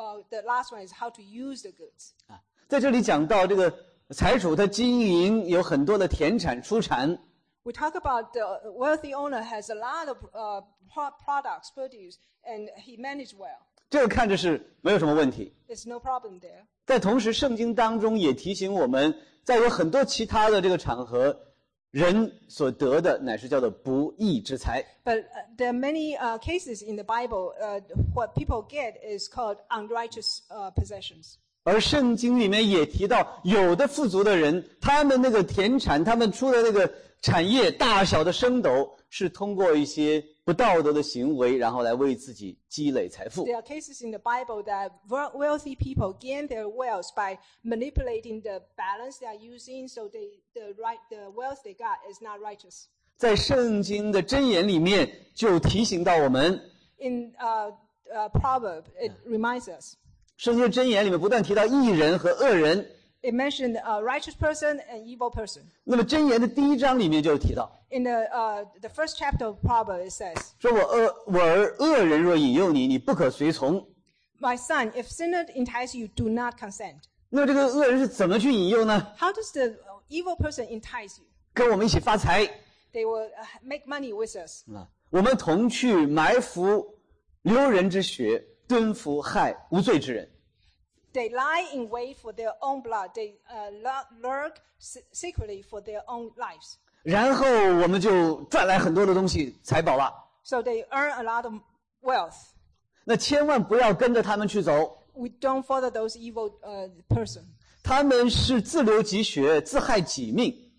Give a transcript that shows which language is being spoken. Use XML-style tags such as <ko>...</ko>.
<en>The last one is how to use the goods.</en> <zh>在这里讲到这个财主他经营有很多的田产出产。</zh> <en>We talk about the wealthy owner has a lot of products produced and he managed well.</en> <zh>这个看着是没有什么问题。</zh> <en>It's no problem there.</en> <zh>在同时圣经当中也提醒我们，在有很多其他的这个场合，人所得的乃是叫做不义之财。</zh> <en>But there are many cases in the Bible, what people get is called unrighteous possessions.</en> <zh>而圣经里面也提到，有的富足的人，他们那个田产，他们出的那个产业，大小的升斗，是通过一些不道德的行为，然后来为自己积累财富。</zh> <en>There are cases in the Bible that wealthy people gain their wealth by manipulating the balance they are using, so the wealth they got is not righteous.</en> <zh>在圣经的箴言里面就提醒到我们。</zh> <en>In Proverb, it reminds us.</en> <zh>圣经箴言里面不断提到义人和恶人。</zh> <en>It mentioned a righteous person and evil person.</en> <zh>那么箴言的第一章里面就提到。</zh> <en>In the first chapter of Proverbs, it says,</en> <zh>说我恶人若引诱你，你不可随从。</zh> <en>My son, if sinner entice you, do not consent.</en> <zh>那这个恶人是怎么去引诱呢？</zh> <en>How does the evil person entice you?</en> <zh>跟我们一起发财。</zh> <en>They will make money with us.</en> <zh>我们同去埋伏流人之血，蹲伏害无罪之人。</zh> <en>They lie in wait for their own blood. They lurk secretly for their own lives.</en> <zh>然后我们就赚来很多的东西，财宝了。</zh> <en>So they earn a lot of wealth.</en> <zh>那千万不要跟着他们去走。</zh> <en>We don't follow those evil person.</en> <zh>他们是自流己血，自害己命。</zh>